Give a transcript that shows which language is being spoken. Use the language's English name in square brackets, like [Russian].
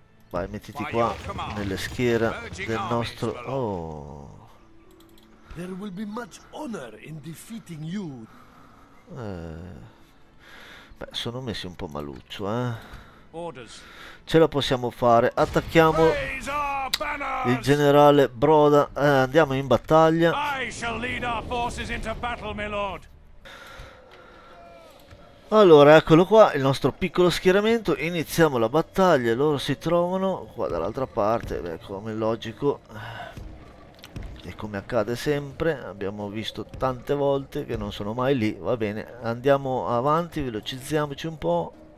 [Italian] Vai, mettiti qua nelle schiere del nostro. [English] There will be much honor in defeating you. [Italian] Beh, sono messi un po' maluccio, Ce la possiamo fare. Attacchiamo il generale Broda. Andiamo in battaglia. [English] I shall lead our forces into battle, my lord. [Italian] Allora, eccolo qua, il nostro piccolo schieramento, iniziamo la battaglia, loro si trovano qua dall'altra parte, beh, come logico e come accade sempre, abbiamo visto tante volte che non sono mai lì, va bene, andiamo avanti, velocizziamoci un po'.